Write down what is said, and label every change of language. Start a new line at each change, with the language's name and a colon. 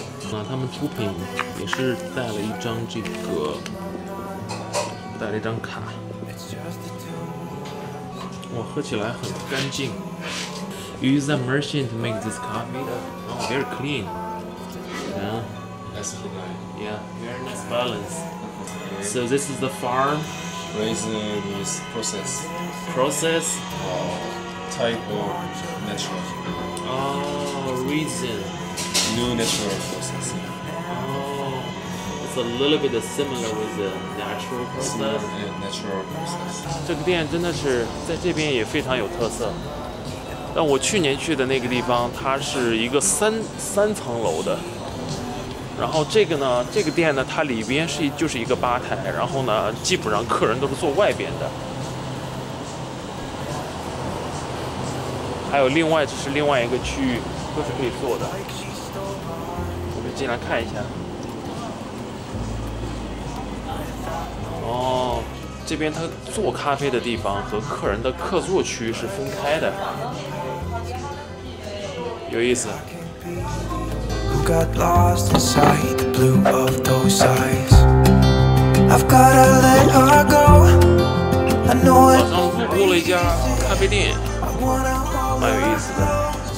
Chinese: 那他们出品也是带了一张这个，带了一张卡。哇，喝起来很干净。
English: You use a machine to make this coffee? Oh, very clean. Yeah. Yeah. Very nice balance. So this is the farm. Where is the process? Process? Type or natural? Reason. New natural process. Oh, it's a little bit similar with the natural process. Natural process.
Chinese: 这个店真的是在这边也非常有特色。但我去年去的那个地方，它是一个三层楼的。然后这个呢，这个店呢，它里边是就是一个吧台，然后呢，基本上客人都是坐外边的。还有另外，这是另外一个区域，都是可以坐的。进来看一下。哦，这边他做咖啡的地方和客人的客座区是分开的，有意思。
English: I've got lost inside the blue of those eyes. I've got to let her go. I know it.
Chinese: 晚上路过了一家咖啡店，蛮有意思的。